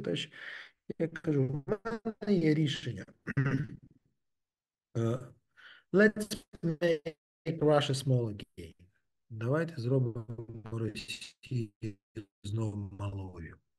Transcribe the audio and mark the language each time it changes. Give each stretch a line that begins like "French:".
Ukrainian: Тож я кажу: в мене є рішення.
English: Let's make Russia small again.
Ukrainian: Давайте зробимо Росію знову малою.